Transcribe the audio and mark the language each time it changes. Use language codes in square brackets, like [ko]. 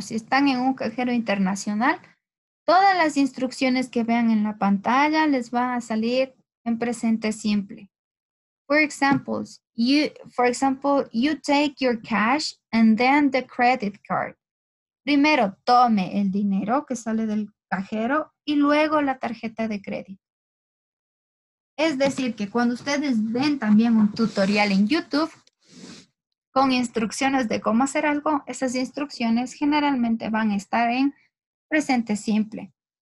[es] Si están en un cajero internacional, todas las instrucciones que vean en la pantalla les van a salir en presente simple. [en] For example, you take your cash and then the credit card. [es] Primero tome el dinero que sale del cajero y luego la tarjeta de crédito. Es decir, que cuando ustedes ven también un tutorial en YouTube con instrucciones de cómo hacer algo, esas instrucciones generalmente van a estar en presente simple.